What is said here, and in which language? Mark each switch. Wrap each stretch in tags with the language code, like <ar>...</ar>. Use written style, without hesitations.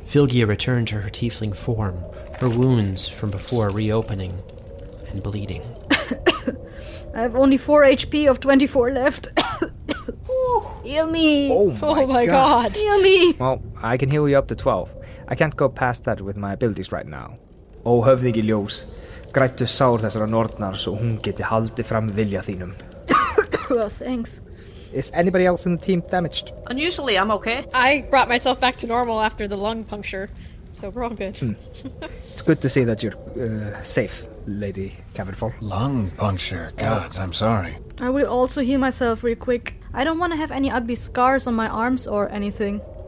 <en>Filgia returned to her tiefling form, her wounds from before reopening and bleeding. I have only 4 HP of 24 left. Heal me! Oh my god! Heal me! Well, I can heal you up to 12. I can't go past that with my abilities right now.</en> <is>Oh, höfðingiljós. Grættu sár þessara nornar svo hún geti haldið fram vilja þínum.</is> <en>Well, thanks. Is anybody else in the team damaged? Unusually, I'm okay. I brought myself back to normal after the lung puncture, so we're all good. It's good to see that you're safe, Lady Cavernfall. Lung puncture? Gods, I'm sorry. I will also heal myself real quick. I don't want to have any ugly scars on my arms or anything.</en>